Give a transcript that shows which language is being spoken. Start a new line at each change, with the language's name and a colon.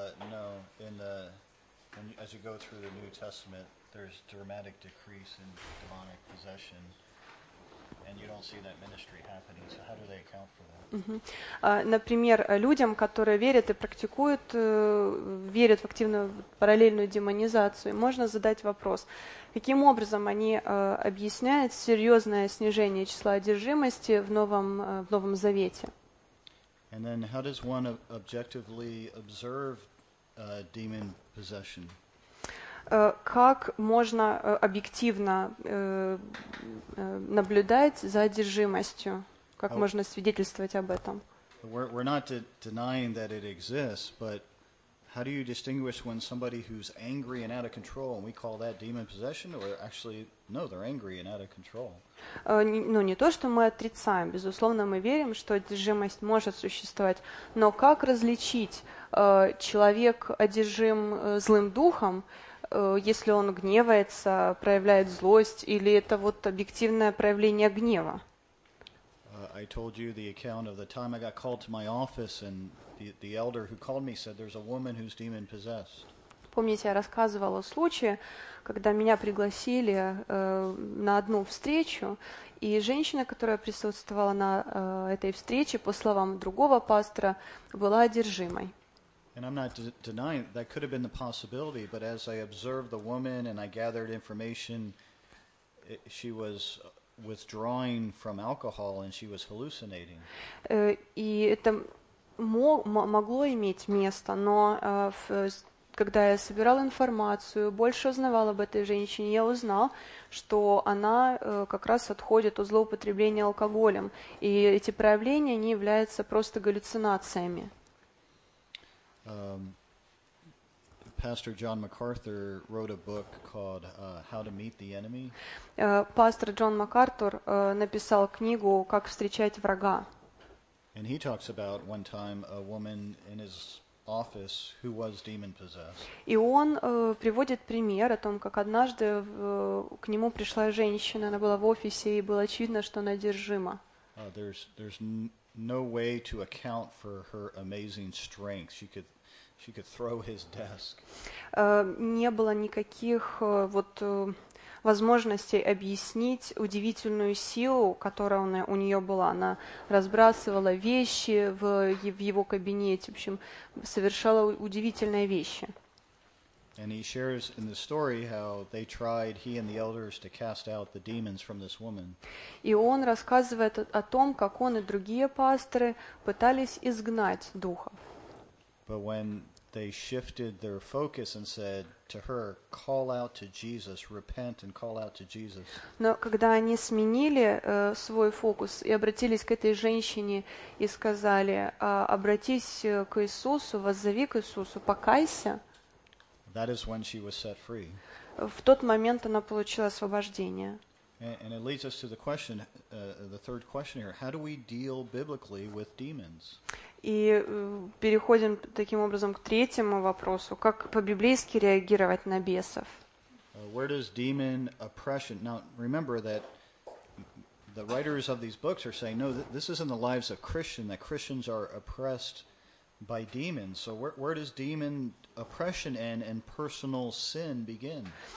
English: No, in the as you go through the New Testament, there's dramatic decrease in demonic possession. And you don't see that ministry happening. So how do they account for that?
Russian: Например, людям, которые верят и практикуют, верят в активную параллельную демонизацию, можно задать вопрос, каким образом они объясняют серьезное снижение числа одержимости в Новом Завете?
English: And then how does one objectively observe demon possession?
Russian: Как можно объективно наблюдать за одержимостью? Как можно свидетельствовать об этом?
English: We're not denying that it exists, but how do you distinguish when somebody who's angry and out of control, and we call that demon possession, or actually, no, they're angry and out of control?
Russian: Ну, не то, что мы отрицаем. Безусловно, мы верим, что одержимость может существовать. Но как различить, человек одержим злым духом, если он гневается, проявляет злость, или это вот объективное проявление гнева?
English: I told you the account of the time I got called to my office, and the elder who called me said, "There's a woman who's demon possessed."
Russian: Помните, я рассказывала о случае, когда меня пригласили на одну встречу, и женщина, которая присутствовала на этой встрече, по словам другого пастора, была одержимой.
English: And I'm not denying that could have been the possibility, but as I observed the woman and I gathered information, she was withdrawing from alcohol and she was hallucinating.
Russian: И это могло иметь место, но когда я собирал информацию, больше узнавал об этой женщине, я узнал, что она как раз отходит от злоупотребления алкоголем, и эти проявления не являются просто галлюцинациями.
English: Pastor John MacArthur wrote a book called How to Meet the Enemy.
Russian: Пастор Джон МакАртур написал книгу «Как встречать врага».
English: And he talks about one time a woman in his office who was demon possessed. И он приводит пример о том, как однажды к нему пришла женщина, она была в офисе и было очевидно, что она одержима. There's no way to account for her amazing strength. She could throw his desk.
Russian: Не было никаких возможностей объяснить удивительную силу, которая у нее была. Она разбрасывала вещи в его кабинете, в общем, совершала удивительные вещи.
English: And he shares in the story how they tried, he and the elders, to cast out the demons from this woman.
Russian: И он рассказывает о том, как он и другие пасторы пытались изгнать духов.
English: But when they shifted their focus and said to her, "Call out to Jesus, repent and call out to Jesus."
Russian: Но когда они сменили свой фокус и обратились к этой женщине и сказали, обратись к Иисусу, воззови к Иисусу, покайся.
English: That is when she was set free.
Russian: В тот момент она получила освобождение.
English: And it leads us to the question, the third question here: How do we deal biblically with demons?
Russian: И переходим таким образом к третьему вопросу: как по-библейски реагировать на бесов?
English: Where does demon oppression? Now, remember that the writers of these books are saying, no, this isn't the lives of Christians, that Christians are oppressed by demons. So where does demon oppression end and personal sin begin?